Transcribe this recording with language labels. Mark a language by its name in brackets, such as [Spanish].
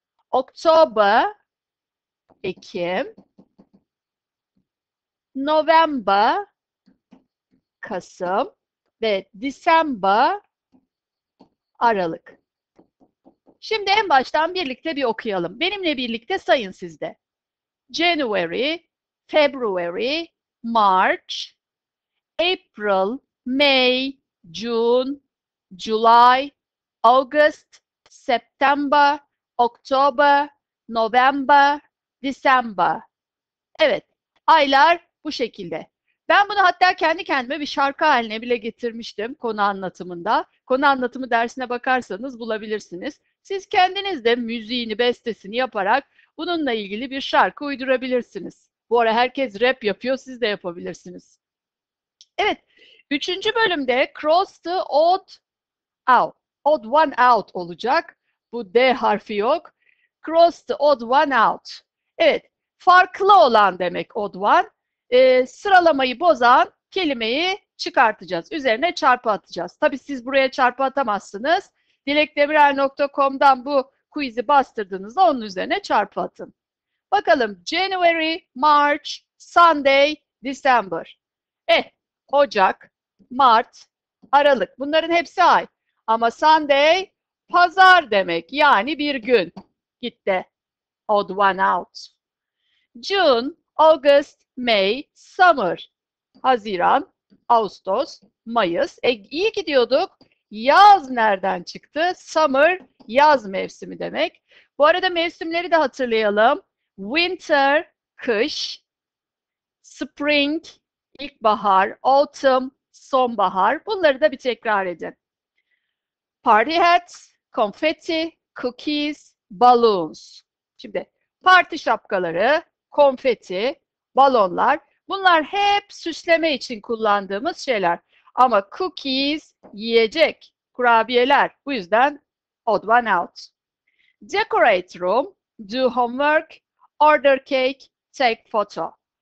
[English] Oktober, Ekim. [Turkish] November, Kasım ve December, Aralık. Şimdi en baştan birlikte bir okuyalım. Benimle birlikte sayın siz de. [English] January, February, March, April, May, June, July, August, September, October, November, December. [Turkish] Evet, aylar bu şekilde. Ben bunu hatta kendi kendime bir şarkı haline bile getirmiştim konu anlatımında. Konu anlatımı dersine bakarsanız bulabilirsiniz. Siz kendiniz de müziğini, bestesini yaparak bununla ilgili bir şarkı uydurabilirsiniz. Bu ara herkes rap yapıyor, siz de yapabilirsiniz. Evet, üçüncü bölümde [English] Cross the Odd Out, Odd One Out [Turkish] olacak. Bu D harfi yok. [English] Cross the Odd One Out. [Turkish] Evet, farklı olan demek Odd One. Sıralamayı bozan kelimeyi çıkartacağız. Üzerine çarpı atacağız. Tabii siz buraya çarpı atamazsınız. dilekdemirel.com'dan bu quiz'i bastırdığınızda onun üzerine çarpı atın. Bakalım. [English] January, March, Sunday, December. [Turkish] Ocak, Mart, Aralık. Bunların hepsi ay. Ama Sunday, pazar demek. Yani bir gün. Gitti. [English] Odd one out. June, August, May, Summer. [Turkish] Haziran, Ağustos, Mayıs. İyi gidiyorduk. Yaz nereden çıktı? Summer, yaz mevsimi demek. Bu arada mevsimleri de hatırlayalım. Winter, kış. Spring, ilkbahar. Autumn, sonbahar. Bunları da bir tekrar edin. [English] Party hat, konfeti, cookies, balloons. [Turkish] Şimdi parti şapkaları, konfeti, balonlar. Bunlar hep süsleme için kullandığımız şeyler. Ama cookies yiyecek, kurabiyeler. Bu yüzden [English] odd one out. Decorate room, do homework, order cake, take photo.